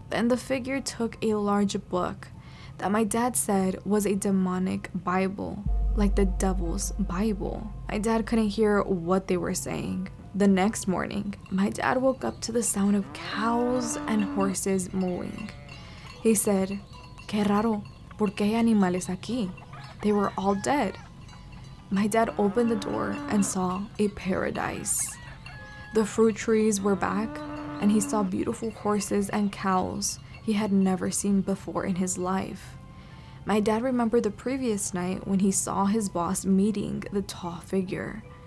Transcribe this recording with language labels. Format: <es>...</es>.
<en>Then the figure took a large book that my dad said was a demonic Bible, like the devil's Bible. My dad couldn't hear what they were saying. The next morning, my dad woke up to the sound of cows and horses mooing. He said,</en> <es>"Qué raro, ¿por qué hay animales aquí?"</es> <en>They were all dead. My dad opened the door and saw a paradise. The fruit trees were back, and he saw beautiful horses and cows he had never seen before in his life. My dad remembered the previous night when he saw his boss meeting the tall figure.</en>